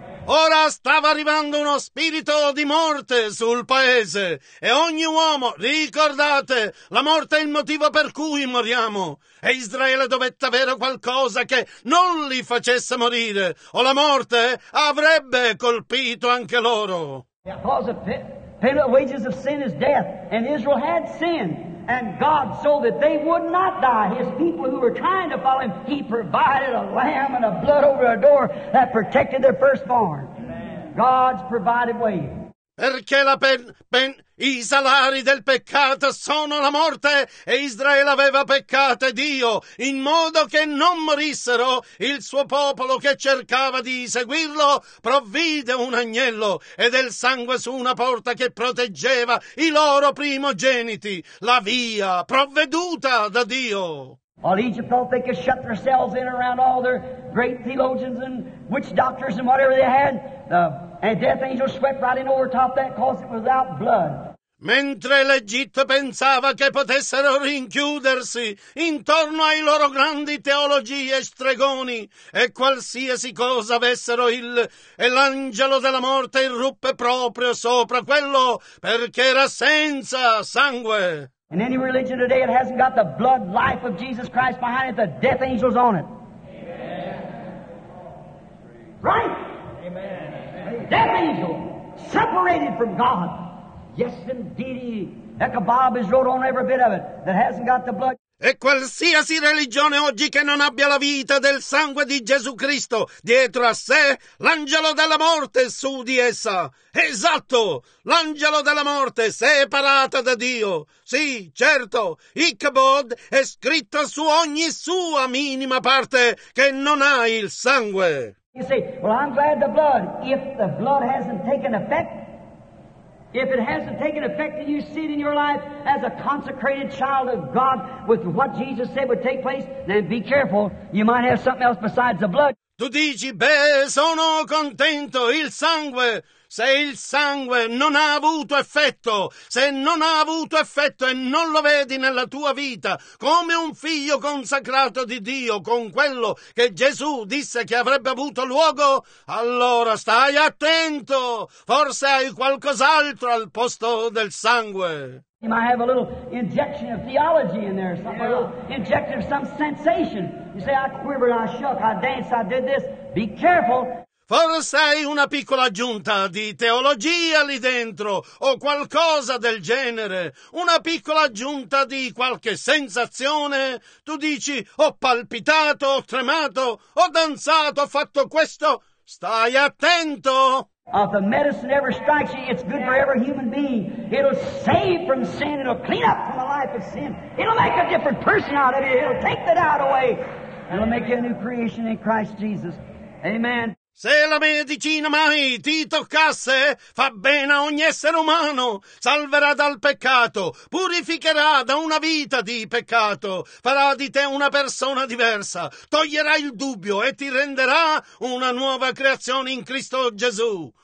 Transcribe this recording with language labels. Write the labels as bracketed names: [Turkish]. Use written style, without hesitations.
[Italian] Ora stava arrivando uno spirito di morte sul paese, e ogni uomo, ricordate, la morte è il motivo per cui moriamo. E Israele dovette avere qualcosa che non li facesse morire, o la morte avrebbe colpito anche loro. [English] Because the payment of the wages of sin is death. And Israel had sin. And God, so that they would not die, his people who were trying to follow him, he provided a lamb and a blood over a door that protected their firstborn. God's provided way. [Italian] Perché la I salari del peccato sono la morte, e Israele aveva peccato e Dio, in modo che non morissero, il suo popolo che cercava di seguirlo, provvide un agnello e del sangue su una porta che proteggeva i loro primogeniti, la via provveduta da Dio. [English] All Egypt thought they could shut themselves in around all their great theologians and witch doctors and whatever they had. And death angels swept right in over top that cause it was without blood. [Italian] Mentre l'Egitto pensava che potessero rinchiudersi intorno ai loro grandi teologi e stregoni, e qualsiasi cosa avessero e l'angelo della morte irruppe proprio sopra quello perché era senza sangue. [English] In any religion today it hasn't got the blood life of Jesus Christ behind it, the death angel's on it. Amen. Right? Amen. Death angel separated from God. Yes, indeed. Ichabod is wrote on every bit of it that hasn't got the blood. [Italian] E qualsiasi religione oggi che non abbia la vita del sangue di Gesù Cristo dietro a sé, l'angelo della morte su di essa. Esatto, l'angelo della morte separata da Dio. Sì, certo, Ichabod è scritto su ogni sua minima parte che non ha il sangue. [English] You say, well, I'm glad the blood, if the blood hasn't taken effect, if it hasn't taken effect and you see it in your life as a consecrated child of God with what Jesus said would take place, then be careful. You might have something else besides the blood. [Italian] Tu dici, beh, sono contento, il sangue. Se il sangue non ha avuto effetto, se non ha avuto effetto e non lo vedi nella tua vita come un figlio consacrato di Dio, con quello che Gesù disse che avrebbe avuto luogo, allora stai attento, forse hai qualcos'altro al posto del sangue. [English] You might have a little injection of theology in there, some, yeah. A little injection of some sensation. You say, I quivered, I shook, I danced, I did this. Be careful. [Italian] Forse hai una piccola aggiunta di teologia lì dentro, o qualcosa del genere, una piccola aggiunta di qualche sensazione. Tu dici, ho palpitato, ho tremato, ho danzato, ho fatto questo. Stai attento! [English] If the medicine ever strikes you, it's good for every human being. It'll save from sin, it'll clean up from a life of sin. It'll make a different person out of you, it'll take the doubt away. It'll make you a new creation in Christ Jesus. Amen. [Italian] Se la medicina mai ti toccasse, fa bene a ogni essere umano, salverà dal peccato, purificherà da una vita di peccato, farà di te una persona diversa, toglierà il dubbio e ti renderà una nuova creazione in Cristo Gesù.